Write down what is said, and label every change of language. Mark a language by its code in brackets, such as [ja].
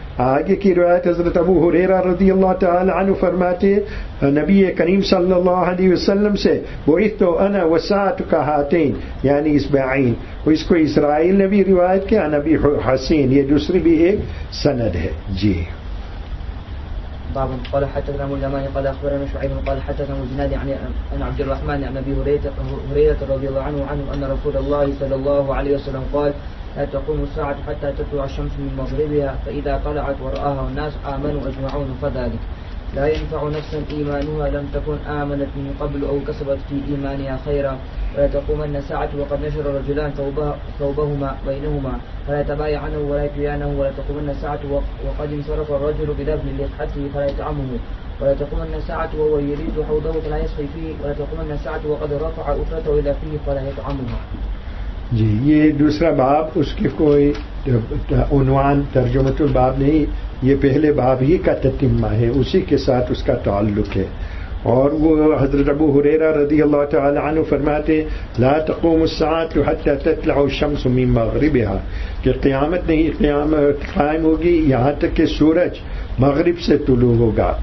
[ur] آگے کی روایت حضرت ابو ہریرہ رضی اللہ تعالی عنہ فرماتے ہیں نبی کریم صلی اللہ علیہ وسلم سے [ar] بعثت انا وساۃ کاہاتین [ur] یعنی اسبعین. اس کو اسرائیل نے بھی روایت کیا نبی حسین یہ دوسری بھی ایک سند ہے. جی [ar] قال حدثنا اليماني قال اخبرنا شعيب قال حدثنا الزنادي عن عبد الرحمن عن ابي هريره رضي الله عنه ان رسول الله صلى الله عليه وسلم قال لا تقوم الساعه حتى تطلع الشمس من مغربها فاذا طلعت وراها الناس امنوا اجمعون فذلك لا ينفع نفسا ايمانها لم تكن امنت من قبل او كسبت في ايمانها خيرا ولا تقومن الساعه وقد نشر الرجلان ثوبهما بينهما فلا يتبايعنه ولا يتيانه ولا تقومن الساعه وقد انصرف الرجل بدبن لحته فلا يطعمه ولا تقومن الساعه وهو يريد حوضه فلا يسقي فيه ولا تقومن الساعه وقد رفع افرته الى فيه فلا يطعمه. [ur] جی یہ دوسرا باب اس کی کوئی عنوان ترجمۃ الباب نہیں یہ پہلے باب ہی کا تتمہ ہے اسی کے ساتھ اس کا تعلق ہے. اور وہ حضرت ابو ہریرہ رضی اللہ تعالی عنہ فرماتے [ar] لا تقوم الساعۃ حتی تطلع الشمس من مغربها [ur] کہ قیامت نہیں قیامت قائم ہوگی یہاں تک کہ سورج مغرب سے طلوع ہوگا.